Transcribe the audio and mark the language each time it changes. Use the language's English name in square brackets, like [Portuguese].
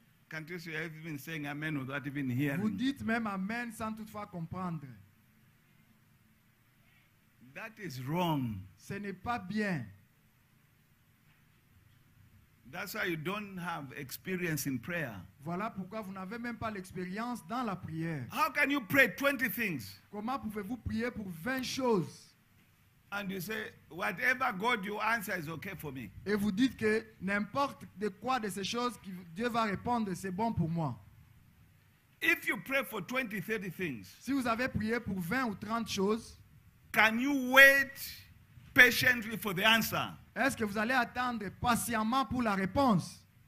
[English] Can't you say you've been saying amen without even hearing? [French] Vous dites même amen sans toutefois comprendre. [English] That is wrong. [French] Ce n'est pas bien. [English] That's why you don't have experience in prayer. [French] Voilà pourquoi vous n'avez même pas l'expérience dans la prière. [English] How can you pray 20 things? [French] Comment pouvez-vous prier pour 20 choses? [English] And you say whatever God you answer is okay for me. [French] Et vous dites que n'importe de quoi de ces choses que Dieu va répondre, c'est bon pour moi. [English] If you pray for 20, 30 things. [French] Si vous avez prié pour 20 ou 30 choses, [English] can you wait patiently for the answer? [French] Est-ce que vous allez attendre patiemment pour la réponse?